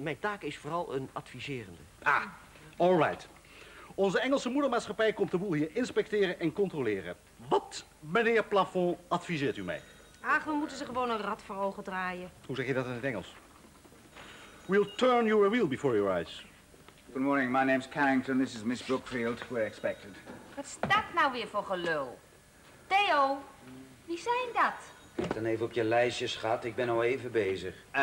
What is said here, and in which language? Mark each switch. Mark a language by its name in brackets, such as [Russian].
[Dutch] Mijn taak is vooral een adviserende. [English] Ah, alright. [Dutch] Onze Engelse moedermaatschappij komt de boel hier inspecteren en controleren. Wat, meneer Plafond, adviseert u mij? Ach, we moeten ze gewoon een rat voor ogen draaien. Hoe zeg je dat in het Engels? [English] We'll turn your wheel before your eyes. Good morning, my name's Carrington, this is Miss Brookfield, we're expected. [Dutch] Wat is dat nou weer voor gelul? Theo, wie zijn dat? Kijk dan even op je lijstje, schat, ik ben al even bezig.